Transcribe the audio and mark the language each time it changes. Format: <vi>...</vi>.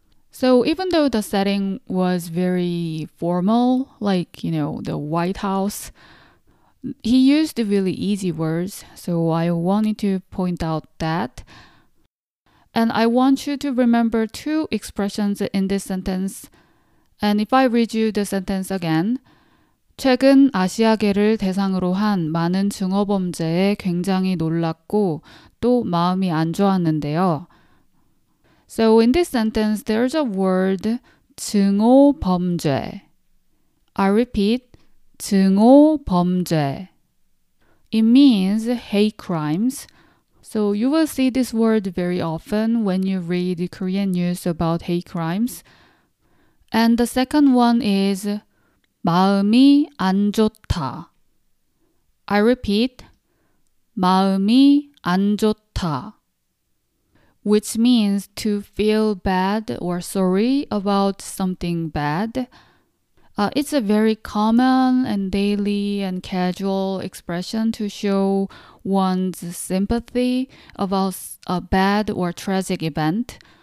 <en>So even though the setting was very formal, like, you know, the White House, he used really easy words. So I wanted to point out that. And I want you to remember two expressions in this sentence. And if I read you the sentence again,</en> <ko>최근 아시아계를 대상으로 한 많은 증오 범죄에 굉장히 놀랐고 또 마음이 안 좋았는데요.</ko> <en>So in this sentence, there's a word</en> <ko>증오 범죄.</ko> <en>I repeat,</en> <ko>증오 범죄.</ko> <en>It means hate crimes. So you will see this word very often when you read Korean news about hate crimes. And the second one is</en> <ko>마음이 안 좋다.</ko> <en>I repeat,</en> <ko>마음이 안 좋다.</ko> <en>Which means to feel bad or sorry about something bad. It's a very common and daily and casual expression to show one's sympathy about a bad or tragic event.</en>